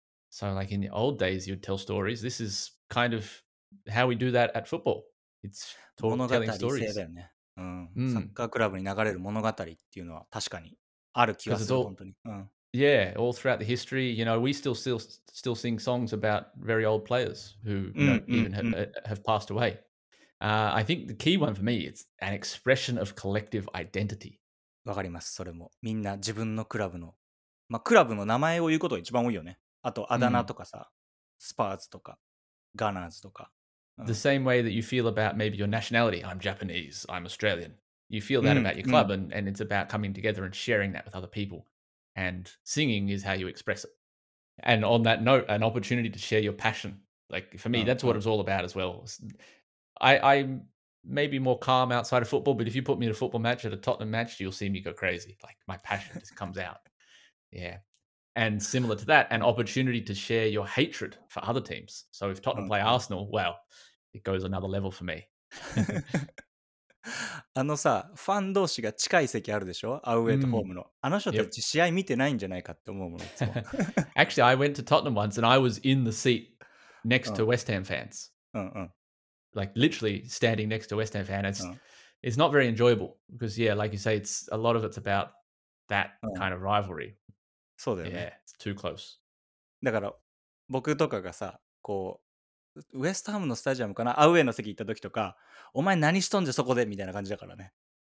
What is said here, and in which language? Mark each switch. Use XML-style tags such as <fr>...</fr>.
<en>So like in the old days, you'd tell stories. This is kind of how we do that at football. It's telling stories.</en> <ja>物語性だよね。サッカークラブに流れる物語っていうのは確かにある気がする、本当に。</ja> <en>Yeah, all throughout the history, you know, we still sing songs about very old players who have passed away. I think the key one for me is an expression of collective identity.</en> <ja>わかります、それも。みんな自分のクラブの、まあ、クラブの名前を言うことが一番多いよね。あと、あだ名とかさ、スパーズとか、ガナーズとか。</ja> <en>The same way that you feel about maybe your nationality. I'm Japanese, I'm Australian. You feel that about your club, and it's about coming together and sharing that with other people. And singing is how you express it. And on that note, an opportunity to share your passion. Like for me, that's what it's all about as well. I may be more calm outside of football, but if you put me in a football match at a Tottenham match, you'll see me go crazy. Like my passion just comes out. Yeah. And similar to that, an opportunity to share your hatred for other teams. So if Tottenham play Arsenal, well, it goes another level for me.</en> <ja>あのさ、ファン同士が近い席あるでしょ、アウェイとホームの。あの人たち試合見てないんじゃないかって思うもん。</ja> <en>Actually, I went to Tottenham once and I was in the seat next to West Ham fans. Like literally standing next to West Ham fans. It's not very enjoyable because, yeah, like you say, it's a lot of it's about that kind of rivalry.</en> <ja>そうだよね。</ja> <en>Yeah, it's too close.</en> <ja>だから僕とかがさ、こう。ウェストハムのスタジアムかな、アウェイの席行った時とか、お前何しとんじゃそこでみたいな感じだからね。</ja>